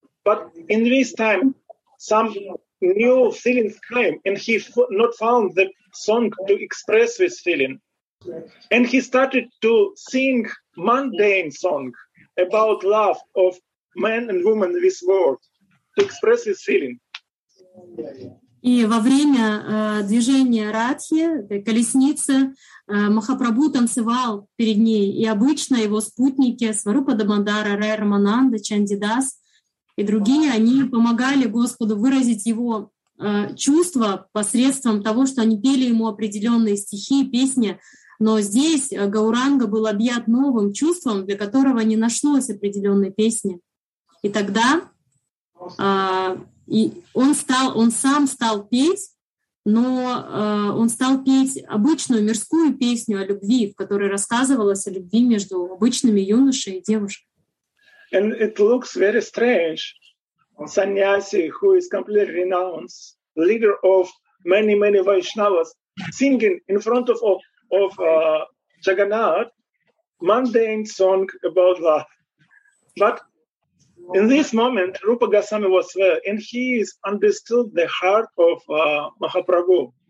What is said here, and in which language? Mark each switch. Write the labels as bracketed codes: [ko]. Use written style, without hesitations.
[en] But in this time, some new feelings came, and he not found the song to express this feeling. And he started to sing mundane song about love of man and woman in this world to express his feeling. [ru] И во время движения Радхи, колесницы, Махапрабху танцевал перед ней. И обычно его спутники Сварупа Дамодара, Рай Рамананда, Чандидас и другие, они помогали Господу выразить его чувства посредством того, что они пели ему определенные стихи, песни. Но здесь Гауранга был объят новым чувством, для которого не нашлось определенной песни. И тогда он стал петь обычную мирскую песню о любви, в которой рассказывалось о любви между обычными юношей и девушкой. [en] And it looks very strange. Sannyasi, who is completely renounced, leader of many, many Vaishnavas, singing in front of Jagannath, mundane song about love. But in this moment, Rupa Goswami was there, and he understood the heart of Mahaprabhu.